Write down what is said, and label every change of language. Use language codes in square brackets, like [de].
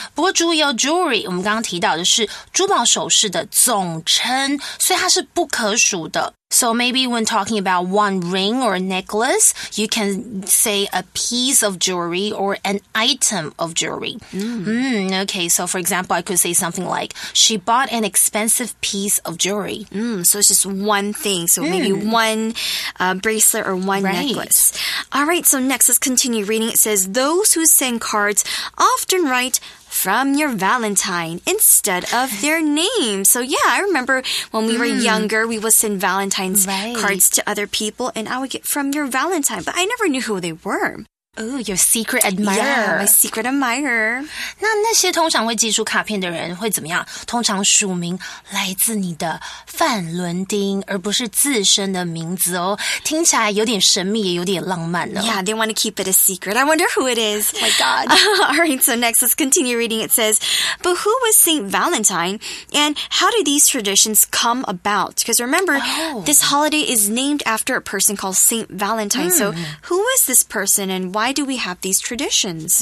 [zh] 不过注意哦， jewelry 我们刚刚提到的是珠宝首饰的总称，所以它是不可数的。 [en] So maybe when talking about one ring or a necklace, you can say a piece of jewelry or an item of jewelry. Mm. Mm, okay, so for example, I could say something like, she bought an expensive piece of jewelry. Mm, so it's just one thing. So maybe one bracelet or one necklace. All right, so next, let's continue reading. It says, those who send cards often write... from your Valentine instead of their name. So yeah, I remember when we were younger, we would send Valentine's cards to other people and I would get from your Valentine, but I never knew who they were. Oh, your secret admirer. Yeah, my secret admirer. [zh] 那些通常会寄出卡片的人会怎么样？通常署名来自你的范伦丁，而不是自身的名字哦。听起来有点神秘，也有点浪漫哦。 [en] Yeah, they want to keep it a secret. I wonder who it is. My God. Alright, so next, let's continue reading. It says, but who was Saint Valentine? And how do these traditions come about? Because remember, this holiday is named after a person called Saint Valentine. So who was this person andWhy do we have these traditions?